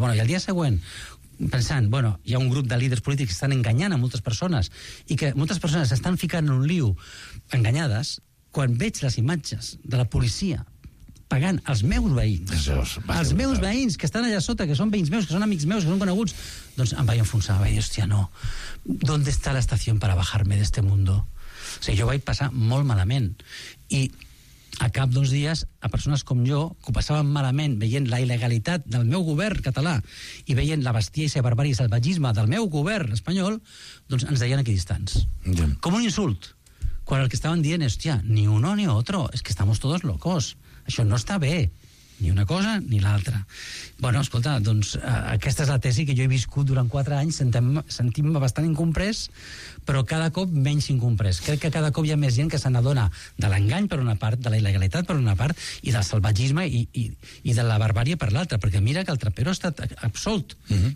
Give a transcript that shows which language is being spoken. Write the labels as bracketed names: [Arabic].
[Catalan] Bueno, i el dia següent, pensant, bueno, hi ha un grup de líders polítics que estan enganyant a moltes persones i que moltes persones s'estan ficant en un liu enganyades, quan veig les imatges de la policia pagant els meus veïns. Els meus veïns, que estan allà sota, que són veïns meus, que són amics meus, que són coneguts, doncs em vaig enfonsar, vaig dir, hòstia, no. [Spanish] ¿Dónde está la estación para bajarme de este mundo? [Catalan] O sigui, jo vaig passar molt malament. I a cap d'uns dies, a persones com jo, que ho passaven malament, veient la il·legalitat del meu govern català i veient la bestiesa, barbària i salvatgisme del meu govern espanyol, doncs ens deien equidistants. Ja. Com un insult. Quan el que estaven dient és, hòstia, [Spanish] ni uno ni otro, es que estamos todos locos. [Catalan] Això no està bé, ni una cosa ni l'altra. Bueno, escolta, doncs aquesta és la tesi que jo he viscut durant 4 anys, sentim-me bastant incomprès, però cada cop menys incomprès. Crec que cada cop hi ha més gent que se n'adona de l'engany per una part, de la il·legalitat per una part, i del salvatgisme i de la barbària per l'altra, perquè mira que el Trapero ha estat absolt. Uh-huh.